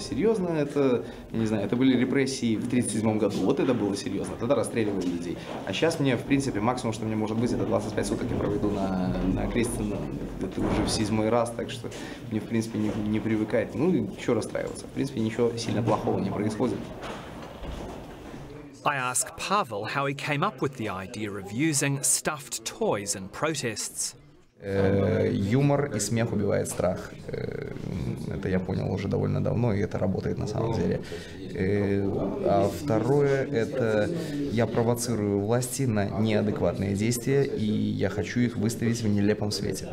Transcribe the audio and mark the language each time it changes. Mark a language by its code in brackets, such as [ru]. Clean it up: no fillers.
[ru] Серьезно это, не знаю, это были репрессии в 37-м году, вот это было серьезно, тогда расстреливали людей. А сейчас мне, в принципе, максимум, что мне может быть, это 25 суток я проведу на кресте, это уже в 7-й раз, так что мне, в принципе, не привыкать. Ну и что расстраиваться? В принципе, ничего сильно плохого не происходит. [en] I ask Pavel how he came up with the idea of using stuffed toys in protests. [ru] Юмор и смех убивает страх. Это я понял уже довольно давно, и это работает на самом деле. А второе, это я провоцирую власти на неадекватные действия, и я хочу их выставить в нелепом свете.